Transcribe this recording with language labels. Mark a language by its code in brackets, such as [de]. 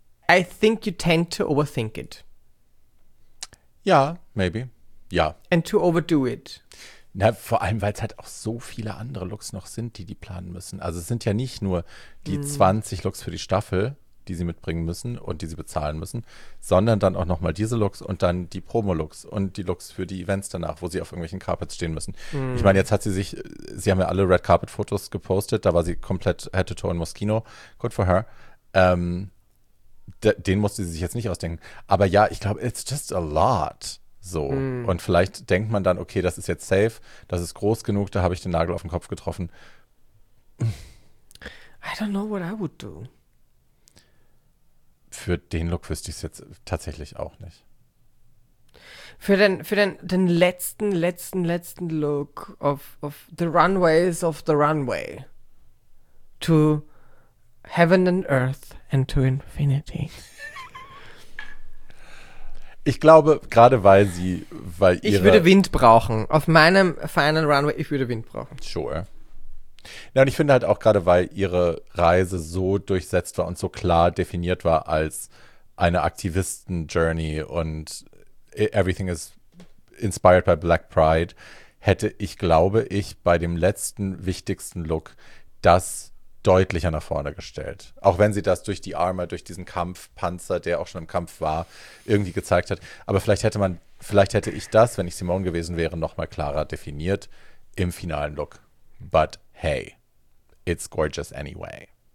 [en] I think you tend to overthink it. [de] Ja, [en] maybe. [de] Ja. [en] And to overdo it. [de] Na, vor allem, weil es halt auch so viele andere Looks noch sind, die die planen müssen. Also es sind ja nicht nur die 20 Looks für die Staffel, die sie mitbringen müssen und die sie bezahlen müssen, sondern dann auch nochmal diese Looks und dann die Promo-Looks und die Looks für die Events danach, wo sie auf irgendwelchen Carpets stehen müssen. Mhm. Ich meine, jetzt hat sie sich, sie haben ja alle Red-Carpet-Fotos gepostet, da war sie komplett head-to-toe in Moschino. [en] Good for her. [de] Den musste sie sich jetzt nicht ausdenken. Aber ja, ich glaube, [en] it's just a lot. [de] So. Mhm. Und vielleicht denkt man dann, okay, das ist jetzt safe, das ist groß genug, da habe ich den Nagel auf den Kopf getroffen. [en] I don't know what I would do. [de] Für den Look wüsste ich es jetzt tatsächlich auch nicht. Für den letzten Look [en] of the runways of the runway to heaven and earth and to infinity. [de] Ich glaube, gerade weil ihre... Ich würde Wind brauchen. Auf meinem final runway, ich würde Wind brauchen. [en] Sure. [de] Ja, und ich finde halt auch gerade, weil ihre Reise so durchsetzt war und so klar definiert war als eine Aktivisten-Journey und [en] everything is inspired by Black Pride, [de] hätte ich, glaube ich, bei dem letzten, wichtigsten Look das deutlicher nach vorne gestellt. Auch wenn sie das durch die Arme, durch diesen Kampfpanzer, der auch schon im Kampf war, irgendwie gezeigt hat. Aber vielleicht hätte ich das, wenn ich Simone gewesen wäre, noch mal klarer definiert im finalen Look. [en] But hey, it's gorgeous anyway.